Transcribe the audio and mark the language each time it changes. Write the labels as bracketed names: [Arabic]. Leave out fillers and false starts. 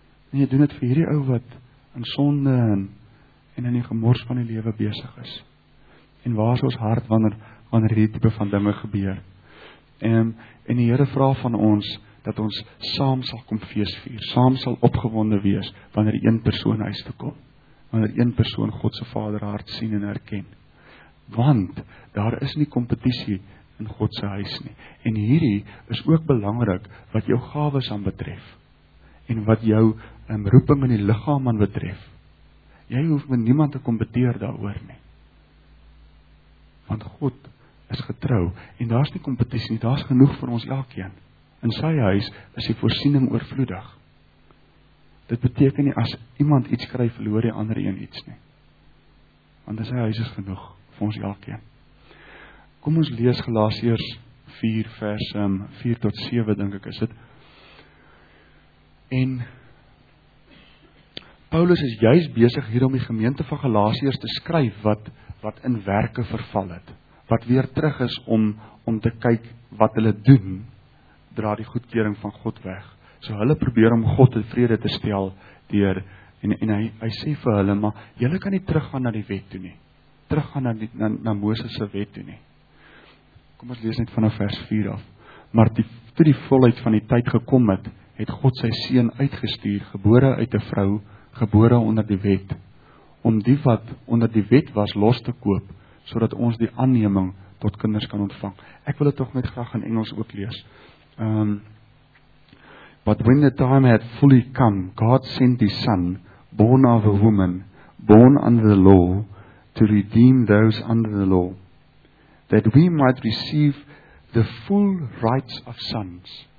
[Afrikaans] En jy doen dit vir hierdie ou wat in sonde en in die gemors van die lewe besig is. En waar is ons hart wanneer hierdie tipe van dinge gebeur? En die Here vra van ons dat ons saam sal kom fees vier, saam sal opgewonde wees wanneer een persoon huis toe kom, wanneer een persoon God se Vader hart sien en herken. Want daar is nie kompetisie in God se huis nie. En hierdie is ook belangrik wat jou gawes aan betref en wat jou roeping in die liggaam aan betref. Jy hoef met niemand te kompeteer daaroor nie. Want God is getrou en daar's nie kompetisie nie, daar's genoeg vir ons elkeen. In sy huis is die voorsiening oorvloedig. Dit beteken nie as iemand iets kry, verloor die ander een iets nie. Want in sy huis is genoeg vir ons elkeen. Kom ons lees Galasiërs 4 vers 4 tot 7 dink ek is dit. En Paulus is juist besig hier om die gemeente van Galasiërs te skryf wat in werke verval het, wat weer terug is om te kyk wat hulle doen, dra die goedkeuring van God weg. So hulle probeer om God in vrede te stel deur, en hy sê vir hulle, maar julle kan nie teruggaan na die wet toe nie, teruggaan na Moses se wet toe nie. Kom ons lees net vanaf vers 4 af. Maar toe die volheid van die tyd gekom het, het God sy seun uitgestuur, gebore uit 'n vrou, gebore onder die wet, om die wat onder die wet was los te koop, sodat ons die aanneming tot kinders kan ontvang. Ek wil dit tog net graag in Engels ook lees. [English] But when the time had fully come, God sent his son, born of a woman, born under the law, to redeem those under the law, that we might receive the full rights of sons.